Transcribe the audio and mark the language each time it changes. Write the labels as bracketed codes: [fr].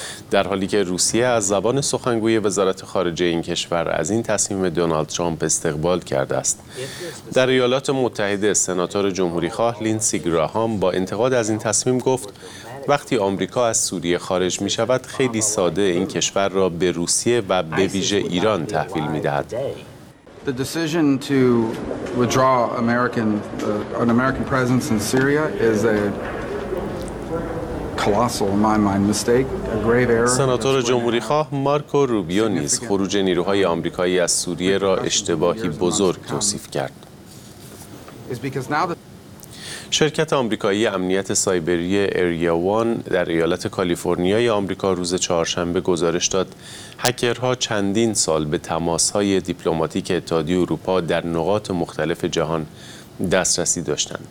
[fa] در حالی که روسیه از زبان سخنگوی وزارت خارجه این کشور از این تصمیم دونالد ترامپ استقبال کرده است. در ایالات متحده سناتور جمهوری خواه لینسی گراهام با انتقاد از این تصمیم گفت وقتی آمریکا از سوریه خارج می شود خیلی ساده این کشور را به روسیه و به ویژه ایران تحویل می دهد. [en] The decision to withdraw an American presence in Syria is a colossal, in my mind, mistake, a grave error. [fa] سناتور جمهوری خواه مارکو روبیو نیز خروج نیروهای آمریکایی از سوریه را اشتباهی بزرگ توصیف کرد. شرکت آمریکایی امنیت سایبری ایریا وان در ایالت کالیفرنیای آمریکا روز چهارشنبه گزارش داد هکرها چندین سال به تماس‌های دیپلماتیک اتحادیه اروپا در نقاط مختلف جهان دسترسی داشتند.